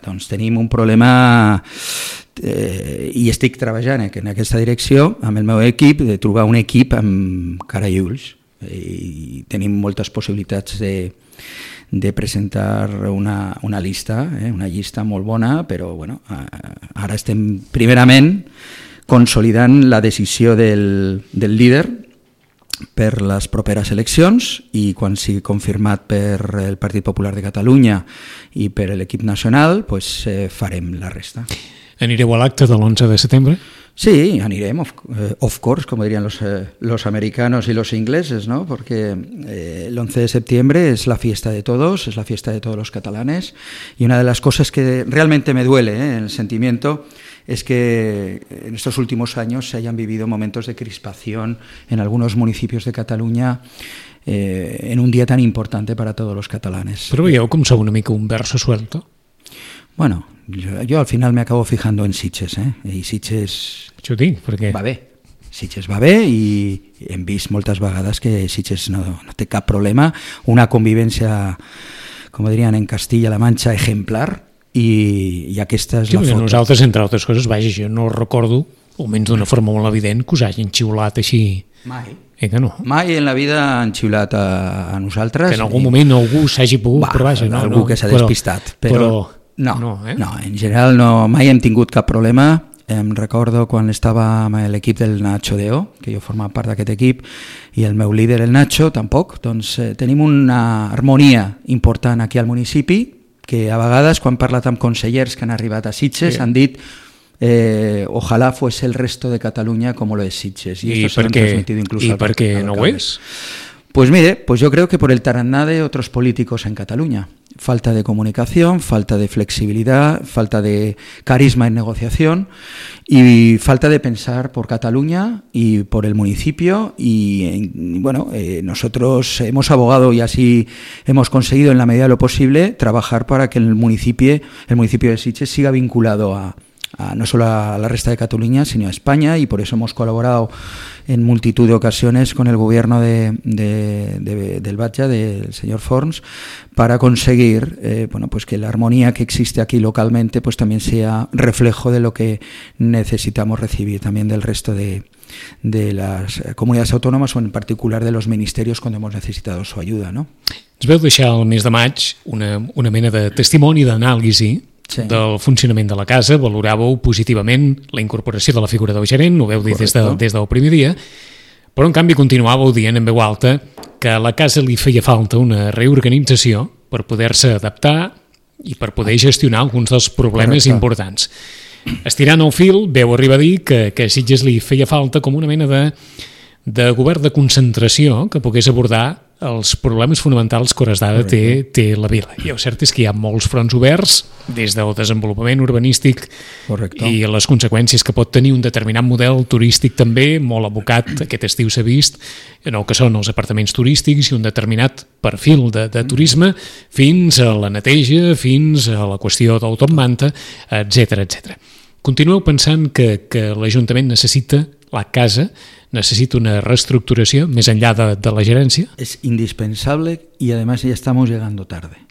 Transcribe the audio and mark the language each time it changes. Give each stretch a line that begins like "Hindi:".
Catalan: Doncs tenim un problema, i estic treballant en aquesta direcció amb el meu equip, de trobar un equip amb cara i ulls, i tenim moltes possibilitats de presentar una llista, una llista molt bona, però bueno, ara estem primerament consolidant la decisió del líder per les properes eleccions, i quan sigui confirmat per el Partit Popular de Catalunya i per l'equip nacional, pues, farem la resta. Anireu a l'acte de l'11 de setembre? Sí, anirem,
English: of course,
Catalan: com dirien
Spanish: los americanos
Catalan: i
Spanish: los ingleses, ¿no? Porque
Catalan: l'11 de setembre és
Spanish: la fiesta de todos, és la fiesta de todos los catalanes, i una de les coses que realmente me duele, el sentimiento, es que en estos últimos años se hayan vivido momentos de crispación en algunos municipios de Cataluña en un día tan importante para todos los catalanes.
Catalan: Però veieu com sou una mica un
Spanish: verso suelto? Bueno, yo al final me acabo fijando en Sitges, ¿eh? Y Sitges...
Catalan: Això ho dic, perquè... Va bé. Sitges va bé i hem vist moltes vegades que Sitges no té cap problema. Una convivència, com dirien en Castilla-La Mancha, ejemplar. I aquesta és, sí, la foto. Nosaltres, entre altres coses, vaja, jo no recordo, almenys d'una forma molt evident, que us hagin xiulat així. Mai. Que no. Mai en la vida han xiulat a nosaltres. Que en algun moment algú s'hagi pogut, però vaja, no. Algú que s'ha despistat. Però no, en general no, mai hem tingut cap problema. Em recordo quan estava amb l'equip del Nacho Deo, que jo formava part d'aquest equip, i el meu líder, el Nacho, tampoc. Doncs tenim una harmonia important aquí al municipi, que a vegades quan he parlat amb consellers que han arribat a Sitges, sí, han dit
Spanish: ojalá fos el resto
Catalan: de Catalunya com lo és Sitges. I per què no ho és?
Spanish: Pues mire, pues yo creo que por el tarannà de otros políticos en Cataluña. Falta de comunicación, falta de flexibilidad, falta de carisma en negociación y falta de pensar por Cataluña y por el municipio. Y bueno, nosotros hemos abogado y así hemos conseguido en la medida de lo posible trabajar para que el municipio de Sitges siga vinculado a no solo a la resta de Cataluña, sino a España, y por eso hemos colaborado en multitud de ocasiones con el gobierno del Batlle, del señor Forns, para conseguir que la armonía que existe aquí localmente pues también sea reflejo de lo que necesitamos recibir también del resto de las comunidades autónomas, o en particular de los ministerios cuando hemos necesitado su ayuda, ¿no?
Catalan: Ens veu deixar el mes de maig una mena de testimoni d'anàlisi. Sí. Del funcionament de la casa, valoràveu positivament la incorporació de la figura del gerent, ho veu dir des del primer dia, però en canvi continuàveu dient en veu alta que a la casa li feia falta una reorganització per poder-se adaptar i per poder gestionar alguns dels problemes importants. Estirant el fil, veu arribar a dir que a Sitges li feia falta com una mena de govern de concentració que pogués abordar els problemes fonamentals que a hores d'ara té la vila. I el cert és que hi ha molts fronts oberts, des del desenvolupament urbanístic. Correcte. I les conseqüències que pot tenir un determinat model turístic també, molt abocat, aquest estiu s'ha vist, en el que són els apartaments turístics i un determinat perfil de turisme, fins a la neteja, fins a la qüestió del top manta, etcètera, etcètera. Continueu pensant que l'Ajuntament necessita la casa,
Spanish: necesita una reestructuración más allá de la gerencia? Es indispensable y además ya estamos llegando tarde.